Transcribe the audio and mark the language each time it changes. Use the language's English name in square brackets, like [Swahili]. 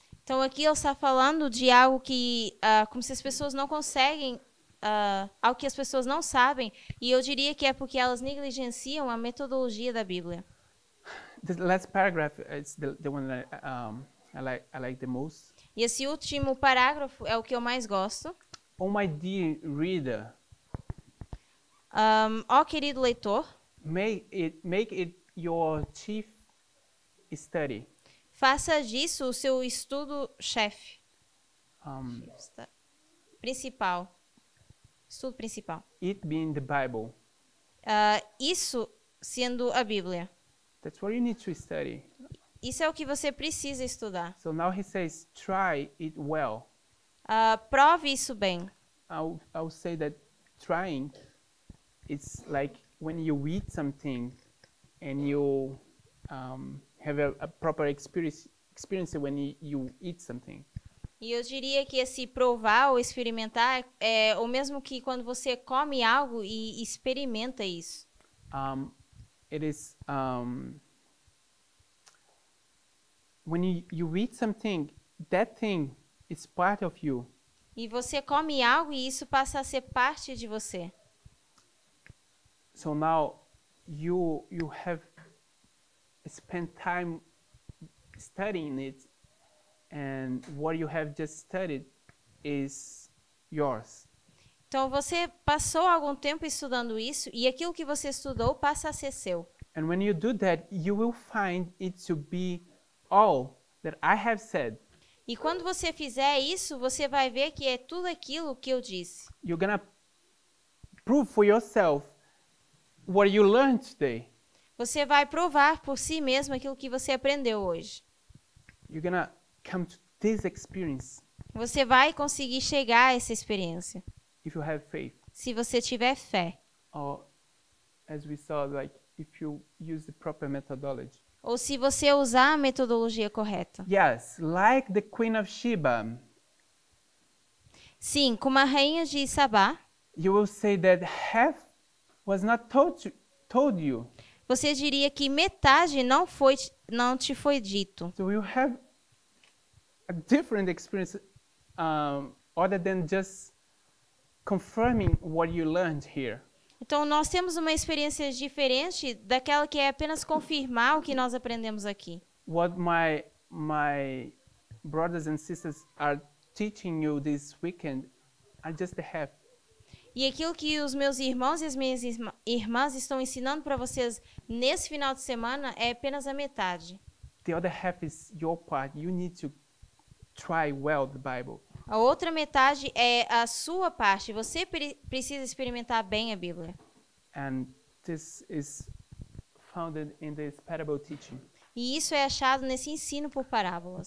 [Portuguese] Então aqui ele está falando de algo que como se as pessoas não conseguem algo que as pessoas não sabem, e eu diria que é porque elas negligenciam a metodologia da Bíblia. [English] The last paragraph is the one that I like the most. [Portuguese] E esse último parágrafo é o que eu mais gosto. [English] Oh, my dear reader. [Portuguese] Querido leitor. [English] Make it your chief study. [Portuguese] Faça disso o seu estudo chefe. Principal. Estudo principal. [English] It being the Bible. [Portuguese] Isso sendo a Bíblia. [English] That's what you need to study. [Portuguese] Isso é o que você precisa estudar. [English] So now he says, try it well. [Portuguese] Prove isso bem. [English] I'll say that trying is like when you eat something and you have a proper experience when you eat something. [Portuguese] E eu diria que esse provar ou experimentar é o mesmo que quando você come algo e experimenta isso. [English] It is when you eat something, that thing is part of you. [Portuguese] E você come algo e isso passa a ser parte de você. [English] So now you have spent time studying it, and what you have just studied is yours. [Portuguese] Então você passou algum tempo estudando isso e aquilo que você estudou passa a ser seu. [English] And when you do that, you will find it to be all that I have said. [Portuguese] E quando você fizer isso, você vai ver que é tudo aquilo que eu disse. [English] You're gonna prove for yourself what you learned today. [Portuguese] Você vai provar por si mesmo aquilo que você aprendeu hoje. [English] You're gonna come to this experience. [Portuguese] Você vai conseguir chegar a essa experiência. [English] If you have faith. [Portuguese] Se você tiver fé. [English] Or, as we saw, like if you use the proper methodology. [Portuguese] Ou se você usar a metodologia correta. [English] Yes, like the Queen of Sheba. [Portuguese] Sim, como a rainha de Sabá. [English] You will say that half was not told you. [Portuguese] Você diria que metade não te foi dito. [English] So you have a different experience other than just confirming what you learned here. [Portuguese] Então nós temos uma experiência diferente daquela que é apenas confirmar o que nós aprendemos aqui. [English] What my brothers and sisters are teaching you this weekend are just the half. [Portuguese] E aquilo que os meus irmãos e as minhas irmãs estão ensinando para vocês nesse final de semana é apenas a metade. [English] The other half is your part. You need to try well the Bible. [Portuguese] A outra metade é a sua parte. Você precisa experimentar bem a Bíblia. [English] And this is founded in this parable teaching. [Portuguese] E isso é achado nesse ensino por parábolas.